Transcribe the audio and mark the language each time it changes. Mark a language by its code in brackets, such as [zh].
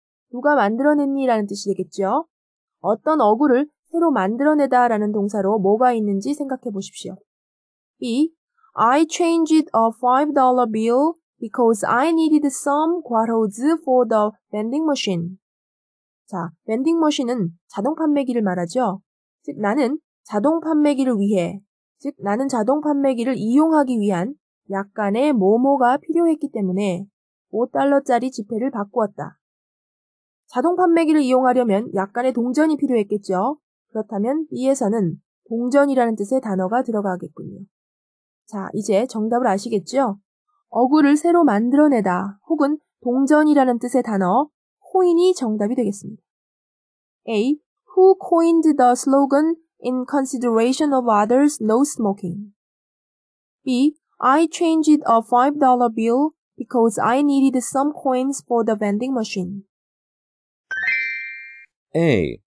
[ko] 누가 만들어냈니라는 뜻이 되겠죠? 어떤 어구를 새로 만들어내다 라는 동사로 뭐가 있는지 생각해 보십시오. B. [en] I changed a $5 bill because I needed some quarters for the vending machine. [ko] 자, vending machine은 자동 판매기를 말하죠. 즉, 나는 자동 판매기를 위해, 즉, 나는 자동 판매기를 이용하기 위한 약간의 뭐뭐가 필요했기 때문에 5달러짜리 지폐를 바꾸었다. 자동 판매기를 이용하려면 약간의 동전이 필요했겠죠. 그렇다면 B에서는 동전이라는 뜻의 단어가 들어가겠군요. 자, 이제 정답을 아시겠죠? 어구를 새로 만들어내다 혹은 동전이라는 뜻의 단어 코인이 정답이 되겠습니다. A. [en] Who coined the slogan in consideration of others, no smoking? B. I changed a $5 bill because I needed some coins for the vending machine. A.